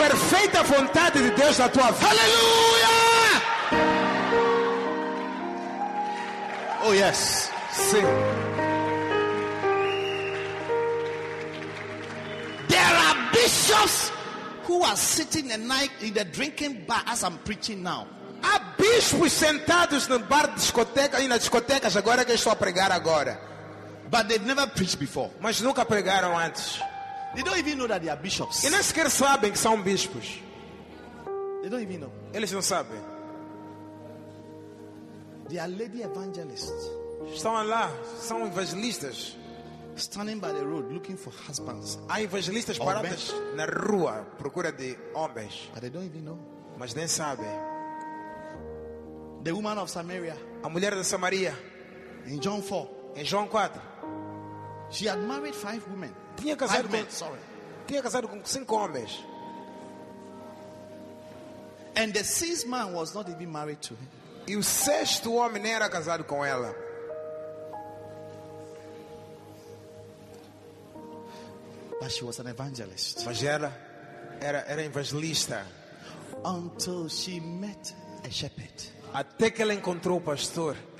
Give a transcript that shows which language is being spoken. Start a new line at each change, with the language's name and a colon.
Portuguese: perfeita vontade de Deus na tua vida.
English: Hallelujah! Oh yes,
Portuguese: sim.
English: There are bishops who are sitting at night in the drinking bar as I'm preaching now.
Portuguese: Há bispos sentados no bar discoteca e nas discotecas agora que estou a pregar agora.
English: But they've never preached before.
Portuguese: Mas nunca pregaram antes.
English: They don't even know that they are bishops.
Portuguese: E nem sequer sabem que são bispos.
English: They don't even know.
Portuguese: Eles não sabem.
English: They are lady evangelists.
Portuguese: Estão lá, são evangelistas.
English: Standing by the road looking for husbands.
Portuguese: Há evangelistas parados na rua procura de homens.
English: But they don't even know.
Portuguese: Mas nem sabem.
English: The woman of Samaria.
Portuguese: A mulher da Samaria.
English: In John 4.
Portuguese: Em João 4.
English: She had married five women.
Portuguese: Tinha casado
English: five men, sorry.
Portuguese: Tinha casado com cinco homens.
English: And the sixth man was not even married to her.
Portuguese: E o sexto homem nem era casado com ela.
English: But she was an evangelist.
Portuguese: Mas era evangelista.
English: Until she met a shepherd.
Portuguese: Até que ela encontrou o pastor.